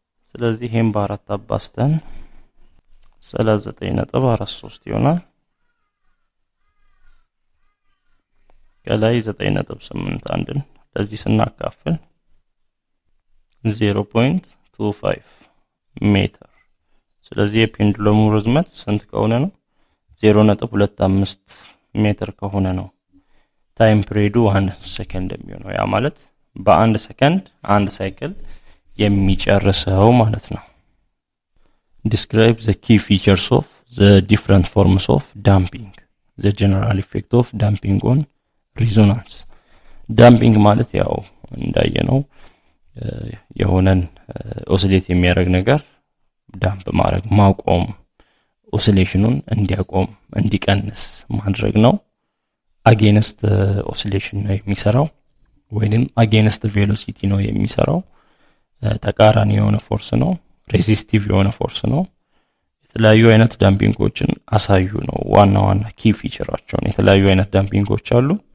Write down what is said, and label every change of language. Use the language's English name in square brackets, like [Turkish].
[Amharic] ስለዚህ ይሄን በ4 አባስተን 39.43 ይሆናል ከላይ 9.81 ለዚህ ስናካፍል 0.25 ሜትር። ስለዚህ የፔንዱለሙ ርዝመት ስንት ከሆነ ነው? 0.25 ሜትር ከሆነ ነው time period 1 second የሚሆነው። ያ ማለት በአንድ ሰከንድ አንድ ሳይክል የሚጨርሰው ማለት ነው። [English] describe the key features of the different forms of damping the general effect of damping on resonance. [Amharic] damping ማለት ያው እንዳየነው የሆነን oscillate የሚያደርግ ነገር damp ማድረግ ማቆም oscillationን እንዲያቆም እንዲቀንስ ማድረግ ነው። against oscillation ነው የሚሰራው ወይንም against velocity ነው የሚሰራው ተቃራኒ የሆነ ፎርስ ነው resistive የሆነ ፎርስ ነው። የተለያዩ አይነት ዳምፒንጎችን አሳዩ ነው ዋና ዋና ኪ ፊቸራቸው። የተለያዩ አይነት ዳምፒንጎች አሉ።